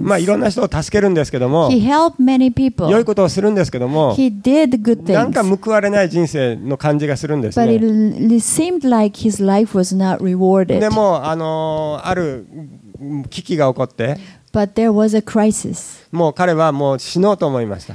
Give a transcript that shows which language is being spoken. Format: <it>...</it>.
<ja>まあいろんな人を助けるんですけども、</ja> <en>he helped many people.</en> <ja>良いことをするんですけども、</ja> <en>he did good things.</en> <ja>なんか報われない人生の感じがするんですね。</ja> <en>But it seemed like his life was not rewarded.</en> <ja>でもある危機が起こって、</ja> <en>but there was a crisis.</en> <ja>もう彼はもう死のうと思いました。</ja>